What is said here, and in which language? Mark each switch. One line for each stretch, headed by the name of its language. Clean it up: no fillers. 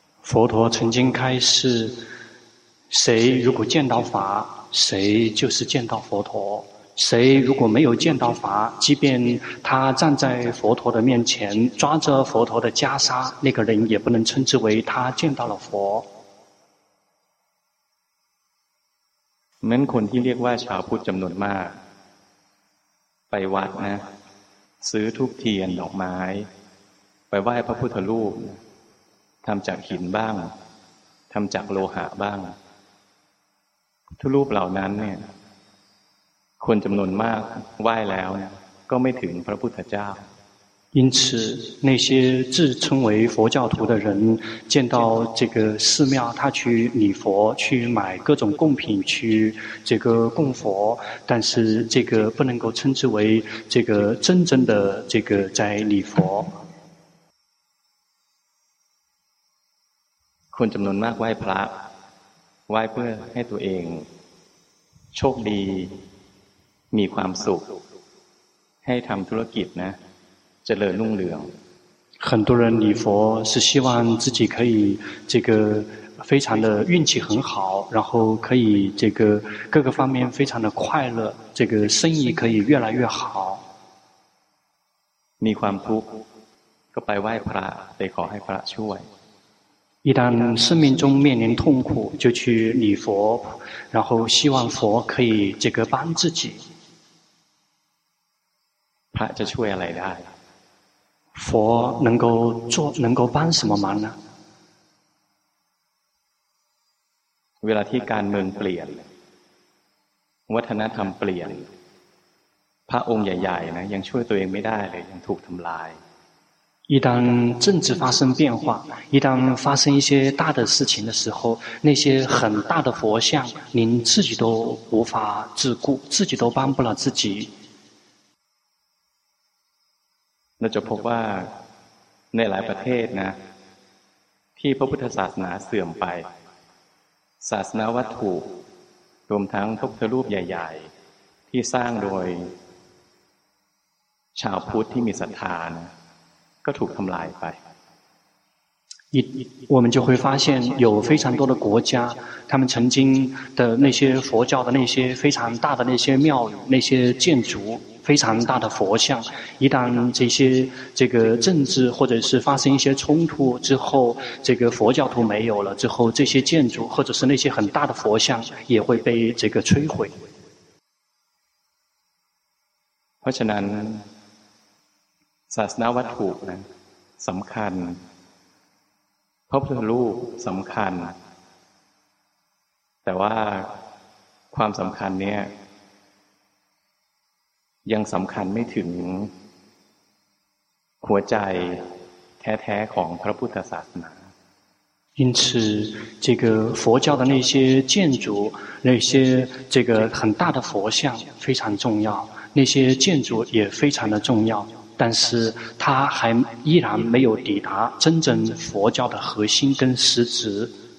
Chinese: 佛陀曾经开示谁如果见到法谁就是见到佛陀谁如果没有见到法即便他站在佛陀的面前抓着佛陀的袈裟那个人也不能称之为他见到了佛
Thai: นั้นคนที่เรียกว่าชาวพุทธจำนวนมากไปวัดนะซื้อทุกเทียนดอกไม้ไปไหว้พระพุทธรูปทำจากหินบ้างทำจากโลหะบ้างทุกรูปเหล่านั้นเนี่ยคนจำนวนมากไหว้แล้วก็ไม่ถึงพระพุทธเจ้า
Chinese: 因此那些自称为佛教徒的人见到这个寺庙他去礼佛去买各种贡品去这个供佛但是这个不能够称之为这个真正的这个在礼佛
Thai: คนจำนวนมากไหว้พระไหว้เพื่อให้ตัวเองโชคดีมีความสุขให้ทำธุรกิจนะเจริญรุ่งเรือง
Chinese: 很多人礼佛是希望自己可以这个非常的运气很好然后可以这个各个方面非常的快乐这个生意可以越来越好
Thai: มีความทุกข์ก็ไปไหว้พระไปขอให้พระช่วย
Chinese: 一旦生命中面临痛苦就去礼佛然后希望佛可以这个帮自己
Thai: พระจะช่วยอะไรได้
Chinese: 佛能够做能够帮什么忙呢
Thai: เวลาที่การเมืองเปลี่ยนวัฒนธรรมเปลี่ยนพระองค์ใหญ่ๆนะยังช่วยตัวเองไม่ได้เลยยังถูกทําลาย
Chinese: 一旦政治发生变化一旦发生一些大的事情的时候那些很大的佛像您自己都无法自顾自己都帮不了自己
Thai: เราจะพบว่าในหลายประเทศนะที่พระพุทธศาสนาเสื่อมไปศาสนาวัตถุรวมทั้งพระพุทธรูปใหญ่ๆที่สร้างโดยชาวพุทธที่มีศรัทธานะก็ถูกทำลายไป
Chinese: 我们就会发现有非常多的国家他们曾经的那些佛教的那些非常大的那些庙宇那些建筑非常大的佛像一旦这些这个政治或者是发生一些冲突之后这个佛教徒没有了之后这些建筑或者是那些很大的佛像也会被这个摧毁
Thai: เพราะฉะนั้นศาสนาวัตถุสำคัญพระพุทธรูปสำคัญแต่ว่าความสำคัญเนี่ยยังสำคัญไม่ถึงหัวใจแท้ๆของพระพุทธศาสนา
Chinese: 因此这个佛教的那些建筑那些这个很大的佛像非常重要那些建筑也非常的重要但是它还依然没有抵达真正佛教的核心跟实质